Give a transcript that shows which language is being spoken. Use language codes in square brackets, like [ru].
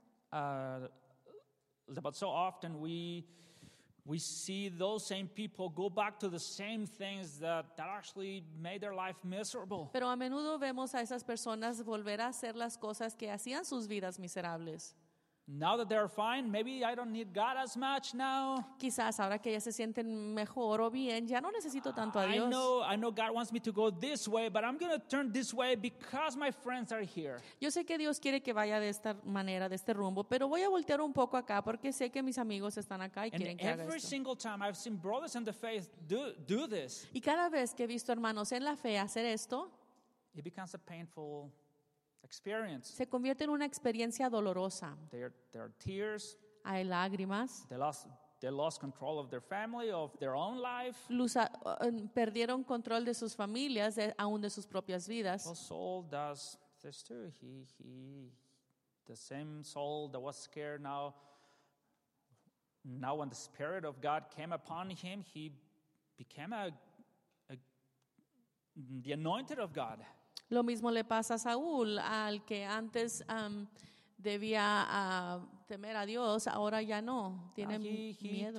[en] But so often we see those same people go back to the same things that actually made their life miserable. [es] Pero a menudo vemos a esas personas volver a hacer las cosas que hacían sus vidas miserables. [en] Now that they're fine, maybe I don't need God as much now. [es] Quizás ahora que ya se sienten mejor o bien, ya no necesito tanto a Dios. [en] I know God wants me to go this way, but I'm going to turn this way because my friends are here. [es] Yo sé que Dios quiere que vaya de esta manera, de este rumbo, pero voy a voltear un poco acá porque sé que mis amigos están acá y quieren que haga esto. [en] And every single time I've seen brothers in the faith do this. [es] Y cada vez que he visto hermanos en la fe hacer esto, [en] it becomes a painful experience. [es] Se convierte en una experiencia dolorosa. [en] There are tears. [es] Hay lágrimas. [en] They lost control of their family, of their own life. [es] Perdieron control de sus familias, aún de sus propias vidas. [en] Well, Saul does this too. He, the same Saul that was scared now when the Spirit of God came upon him, he became the anointed of God. [es] Lo mismo le pasa a Saúl, al que antes debía temer a Dios, ahora ya no, tiene miedo.